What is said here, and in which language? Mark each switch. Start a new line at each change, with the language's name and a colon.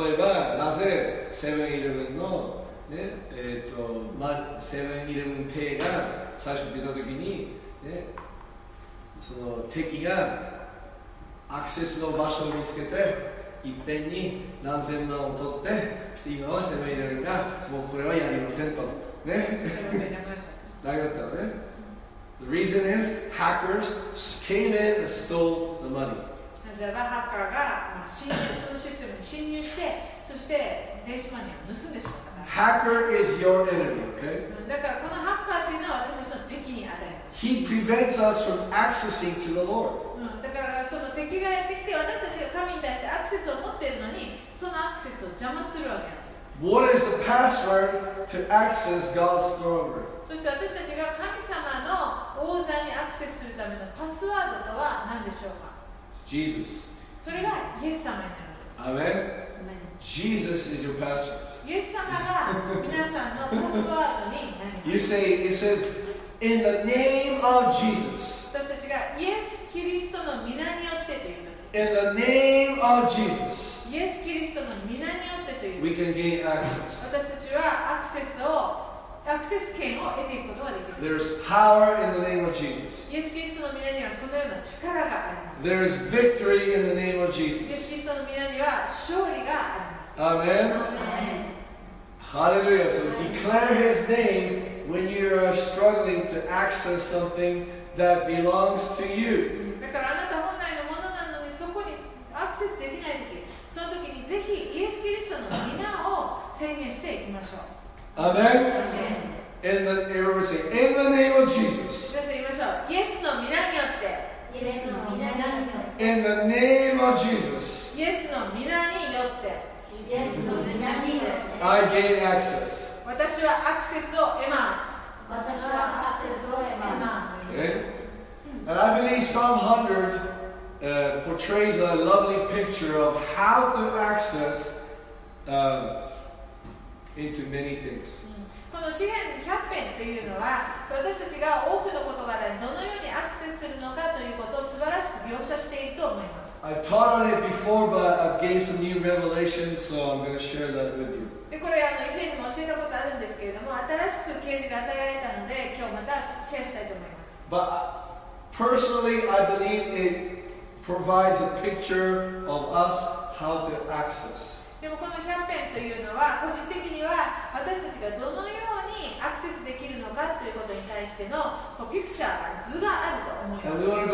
Japanese: 例えばなぜセブンイレブンの、ねセブンイレブンペイが最初出た時に、ね、その敵がアクセスの場所を見つけていっぺんに何千万を取って、今はセブンイレブンがもうこれはやりませんとね。大丈夫だったね。
English: The reason is, hackers came in and stole the money.
Japanese: なぜならハッカーが侵入、そのシステムに侵入して、そして電子マネーを盗んでしまったから。
English: Hacker is your enemy, okay?
Japanese: だからこのハッカーというのは私たちの敵に当たります。
English: He prevents us from accessing to the Lord.
Japanese: だからその敵がやってきて私たちが神に対してアクセスを持っているのにそのアクセスを邪魔するわけなんです。
English: What is the password to access God's throne room?
Japanese: そして私たちが神様の王座にアクセスするためのパスワードとは何でしょうか?
English: Jesus.
Japanese: それがイエス様になるんです。
English: Amen. Jesus is your password.
Japanese: イエス様が皆さんのパスワードになります。
English: You say, it says, in the name of Jesus.
Japanese: 私たちがイエス・キリストの御名によってと言います。
English: In the name of Jesus.
Japanese: イエス・キリストの御名によってという
English: We can gain access.
Japanese: 私たちはアクセス権を得ていくことができる
English: There is power in the name of Jesus.
Japanese: イエス・キリストの御名にはそのような力があります
English: There is victory in the name of Jesus.
Japanese: イエス・キリストの御名には勝利があります
English: Amen. Hallelujah. So declare his name when you are struggling to access something that belongs to you.
Japanese: だからあなた本来のものなのにそこにアクセスできないときその時にぜひイエス・キリストの御名を宣言していきましょう。
English: アメン。In the name of Jesus。
Japanese: 皆さん言いましょう。イエスの御名によって。イエスの御名によって。
English: In the name of Jesus。
Japanese: イエスの御名によって。イエスの御名によって。
English: I gain access。
Japanese: 私はアクセスを得ます。私はアクセスを得ます。
English: And I believe Psalm 100. Portrays a lovely picture of how to access into many things.
Japanese: この詩篇100編というのは私たちが多くの事柄にどのようにアクセスするのかということを素晴らしく描写していると思います。
English: I've taught on it before, but I've gained some new revelations, so I'm going to share that with you.
Japanese: でこれ以前にも教えたことあるんですけれども新しく啓示が与えられたので今日またシェアしたいと思います。
English: But personally, I believe itProvides a picture of us how to access.
Japanese: でもこの100編というのは個人的には私たちがどのようにアクセスできるのかということに対してのこうピクチャー図があると思います。